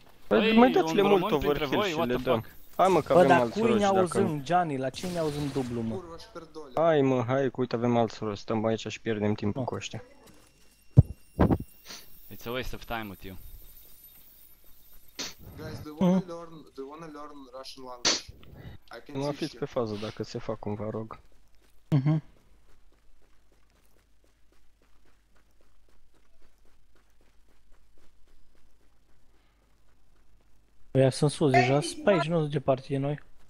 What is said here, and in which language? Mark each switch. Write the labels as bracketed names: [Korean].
[Romanian] Păi, mai dați-le mult overkill și le dăm. Hai mă, că bă, avem alți cui roși, ne dacă... auzim, Gianni, la cine ne auzim dublu, mă? Hai mă, hai, că uite, avem alți roși, stăm aici și pierdem timp cu ăștia. [English] It's a waste of time with you. Guys, do you wanna learn, do you wanna learn Russian language? [Romanian] Nu fiți pe fază dacă se fac cumva, rog. Păi sunt sus deja, pe aici nu sunt departe de noi.